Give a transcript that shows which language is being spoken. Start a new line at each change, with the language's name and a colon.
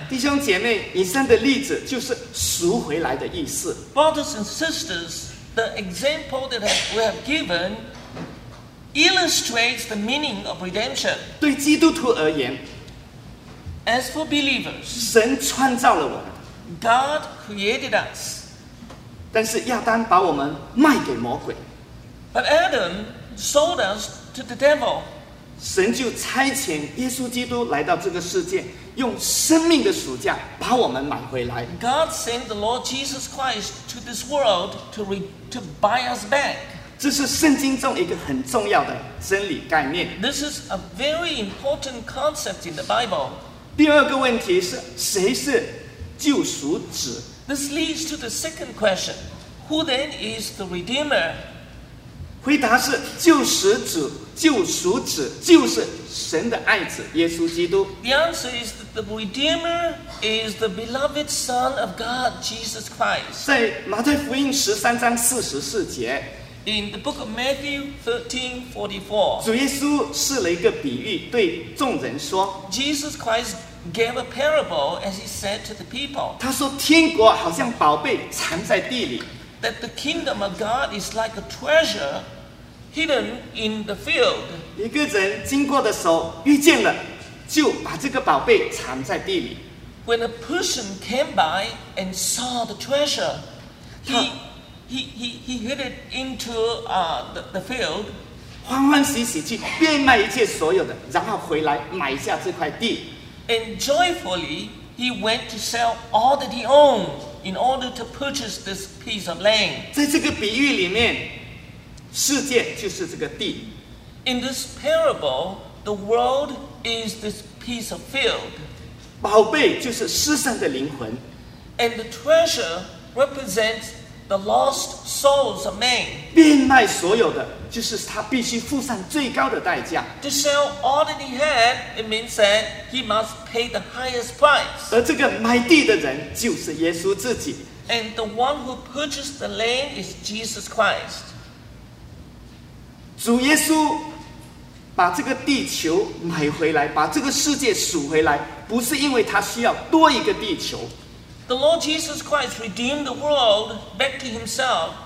Chinese: 弟兄姐妹，以上的例子就是赎回来的意思。
English: Brothers and sisters, the example that we have given illustrates the meaning of redemption.
Chinese: 对基督徒而言
English: ，As for believers,
Chinese: 神创造了我们。
English: God created us.
Chinese: 但是亚当把我们卖给魔鬼。
English: But Adam sold us to the devil.
Chinese: 神就差遣耶稣基督来到这个世界，用生命的赎价把我们买回来。
English: God sent the Lord Jesus Christ to this world to buy us back.
Chinese: 这是圣经中一个很重要的真理概念。
English: This is a very important concept in the Bible.
Chinese: 第二个问题是谁是救赎者？
English: This leads to the second question. Who then is the Redeemer?
Chinese: 回答是救赎者。救赎者就是神的爱子耶稣基督。
English: The answer is that the Redeemer is the beloved Son of God, Jesus Christ.
Chinese: 在马太福音十三章四十四节
English: ，In the book of Matthew 13:44,
Chinese: 主耶稣施了一个比喻对众人说
English: ，Jesus Christ gave a parable as he said to the people.
Chinese: 他说天国好像宝贝藏在地里
English: ，That the kingdom of God is like a treasure. Hidden in the field.
Chinese: 一个人经过的时候遇见了，就把这个宝贝藏在地里。
English: When a person came by and saw the treasure, he hid it into the field.
Chinese: 欢欢喜喜去变卖一切所有的，然后回来买下这块地。
English: And joyfully he went to sell all that he owned in order to purchase this piece of land.
Chinese: 在这个比喻里面。世界就是这个地。
English: In this parable, the world is this piece of field.
Chinese: 宝贝就是失散的灵魂。
English: And the treasure represents the lost souls of man.
Chinese: 变卖所有的就是他必须付上最高的代价。
English: To sell all that he had, it means that he must pay the highest price.
Chinese: 而这个买地的人就是耶稣自己。
English: And the one who purchased the land is Jesus Christ.
Chinese: 主耶稣把这个地球买回来，把这个世界赎回来，不是因为他需要多一个地球。
English: The Lord Jesus Christ redeemed the world back to himself.